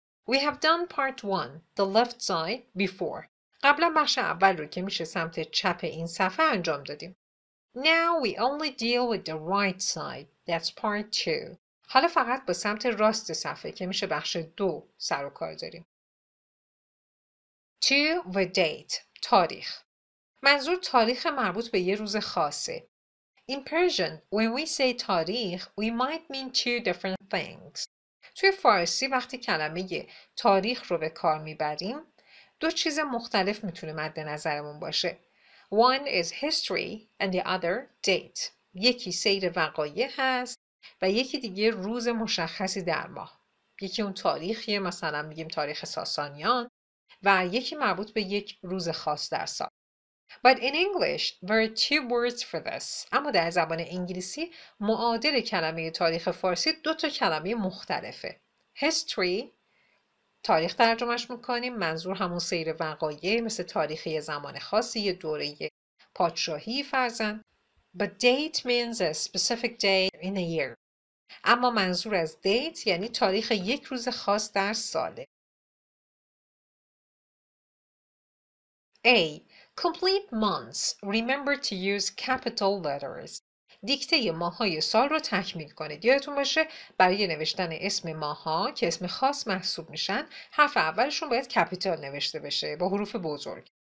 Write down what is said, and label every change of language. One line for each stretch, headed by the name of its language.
English: We have done part 1, the left side, before.
Persian: قبلا بخش اول رو که میشه سمت چپ این صفحه انجام دادیم.
English: Now we only deal with the right side. That's part 2.
Persian: حالا فقط با سمت راست صفحه که میشه بخش 2 سر و کار داریم.
English: 2. The date. تاریخ.
Persian: منظور تاریخ مربوط به یه روز خاصه.
English: In Persian, when we say تاریخ, we might mean two different things.
Persian: توی فارسی وقتی کلمه تاریخ رو به کار میبریم، دو چیز مختلف میتونه مد نظرمون باشه.
English: One is history and the other date.
Persian: یکی سیر وقایع هست و یکی دیگه روز مشخصی در ماه. یکی اون تاریخیه، مثلا میگیم تاریخ ساسانیان، و یکی مربوط به یک روز خاص در سال.
English: But in English, there are two words for this.
Persian: اما در زبان انگلیسی، معادل کلمه تاریخ فارسی دو تا کلمه مختلفه. History، تاریخ ترجمهش میکنیم، منظور همون سیر وقایع مثل تاریخی زمان خاصی، دوره پادشاهی فرزن.
English: But date means a specific day in a year.
Persian: اما منظور از date یعنی تاریخ یک روز خاص در ساله.
English: A. Complete months. Remember to use capital letters.
Persian: دیکته ماه‌های سال رو تکمیل کنید. یادتون باشه برای نوشتن اسم ماه‌ها که اسم خاص محسوب میشن، حرف اولشون باید کپیتال نوشته بشه با حروف بزرگ.